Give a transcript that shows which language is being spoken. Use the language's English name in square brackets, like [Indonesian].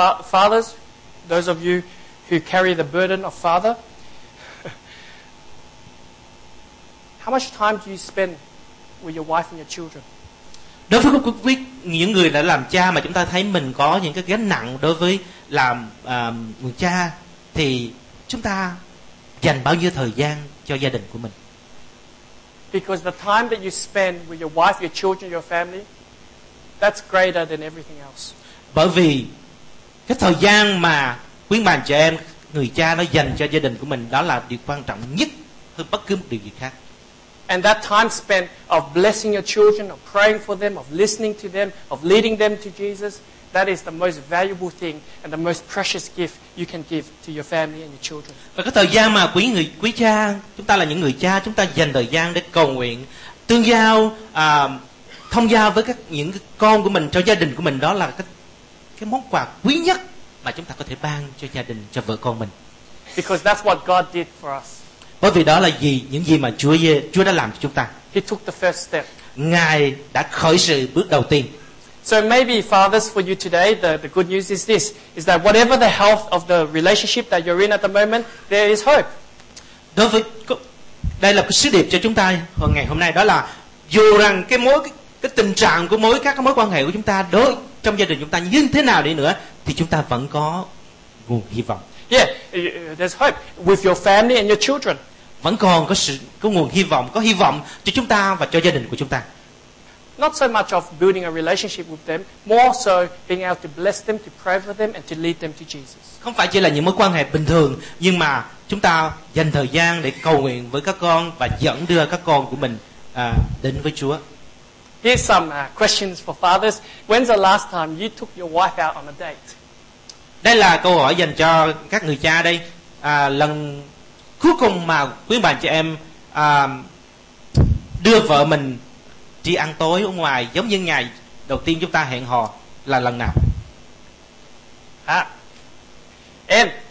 [English] Fathers, those of you who carry the burden of father, how much time do you spend with your wife and your children? [Vietnamese] Đối với những người đã làm cha mà chúng ta thấy mình có những cái gánh nặng đối với làm người cha, thì chúng ta dành bao nhiêu thời gian cho gia đình của mình? [English] Because the time that you spend with your wife, your children, your family, that's greater than everything else. [Vietnamese] Bởi vì cái thời gian mà quý bạn trẻ em, người cha nó dành cho gia đình của mình, đó là điều quan trọng nhất hơn bất cứ một điều gì khác. [English] And that time spent of blessing your children, of praying for them, of listening to them, of leading them to Jesus, that is the most valuable thing and the most precious gift you can give to your family and your children. [Vietnamese] Và cái thời gian mà quý cha, chúng ta là những người cha, chúng ta dành thời gian để cầu nguyện, tương giao, thông giao với những con của mình, cho gia đình của mình, đó là cái món quà quý nhất mà chúng ta có thể ban cho gia đình, cho vợ con mình. [English] Because that's what God did for us. [Vietnamese] Bởi vì đó là gì, những gì mà Chúa đã làm cho chúng ta. [English] He took the first step. [Vietnamese] Ngài đã khởi sự bước đầu tiên. [English] So maybe fathers, for you today, the good news is this, is that whatever the health of the relationship that you're in at the moment, there is hope. [Vietnamese] Đối với đây là cái sứ điệp cho chúng ta ngày hôm nay, đó là dù rằng cái tình trạng của các mối quan hệ của chúng ta đối trong gia đình chúng ta như thế nào đi nữa thì chúng ta vẫn có nguồn hy vọng. [English] Yeah, there's hope with your family and your children. [Vietnamese] Vẫn còn có sự có nguồn hy vọng, có hy vọng cho chúng ta và cho gia đình của chúng ta. [English] Not so much of building a relationship with them, more so being able to bless them, to pray for them and to lead them to Jesus. [Vietnamese] Không phải chỉ là những mối quan hệ bình thường, nhưng mà chúng ta dành thời gian để cầu nguyện với các con và dẫn đưa các con của mình đến với Chúa. [English] Here's some questions for fathers. When's the last time you took your wife out on a date? [Vietnamese] Đây là câu hỏi dành cho các người cha đây. Lần cuối cùng mà quý bạn chị em đưa vợ mình đi ăn tối ở ngoài giống như ngày đầu tiên chúng ta hẹn hò là lần nào? À, em.